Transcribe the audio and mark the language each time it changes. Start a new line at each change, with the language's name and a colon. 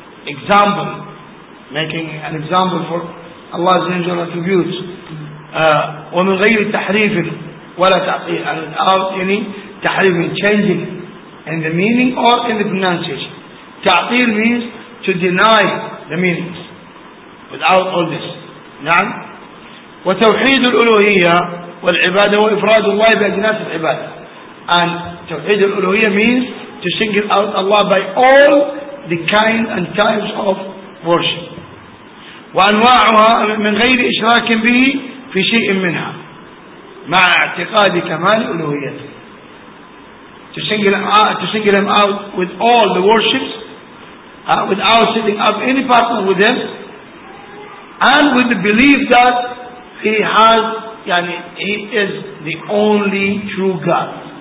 English: example, making an example for Allah's names and attributes,
Arabic: ومن غير تحريف ولا تعطيل,
English: and without any تحريف, changing in the meaning or in the pronunciation. تعطيل means to deny the meanings without all this.
Arabic: نعم. وتوحيد الألوهية والعبادة وإفراد الله بأجناس العبادة.
English: And توحيد الألوهية means to single out Allah by all the kinds and types of worship.
Arabic: وأنواعها من غير إشراك به في شيء منها مع اعتقاد كمال ألوهيته.
English: To single them out with all the worships, without setting up any partner with them, and with the belief that he has, yani, he is the only true God.